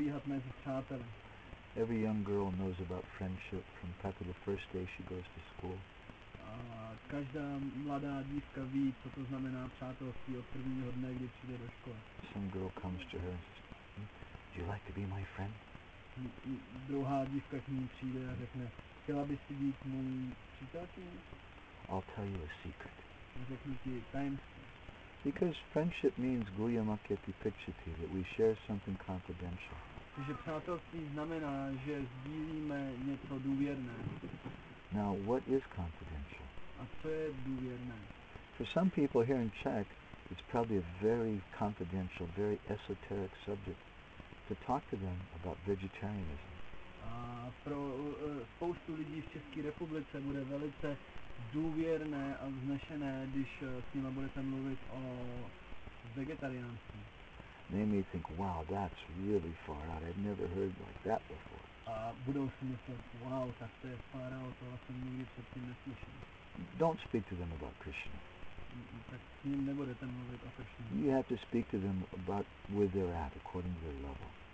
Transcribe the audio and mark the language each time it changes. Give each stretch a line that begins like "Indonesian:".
English: Every young girl knows about friendship from probably the first day she goes to school.
Czech: Každá mladá dívka ví, co to znamená přátelství od prvního dne, kdy přijde do školy.
English: Some girl comes to her and says, "Do you like to be my friend?"
Czech: Druhá dívka k ní přijde a řekne, chtěla bys si být mojí přítelkyní?
English: I'll tell you a secret.
Czech: Řeknu ti tajemství.
English: Because friendship means guhyamakyati pichati, that we share something confidential.
Czech: Že přátelství znamená, že sdílíme něco důvěrné.
English: Now, what is confidential?
Czech: A co je důvěrné?
English: For some people here in Czech, it's probably a very confidential, very esoteric subject to talk to them about vegetarianism.
Czech: A pro spoustu lidí v České republice bude velice důvěrné a vznešené, když s nima budete mluvit o vegetariánství.
English: They may think, wow, that's really far out. I've never heard like that before.
Czech: A budou si myslet, wow, tak to je
English: far out,
Czech: to jsem nikdy předtím neslyšel.
English: Don't speak to them about Krishna.
Czech: Tak s ním nebudete mluvit o Krishna.
English: You have to speak to them about where they're at, according to their level.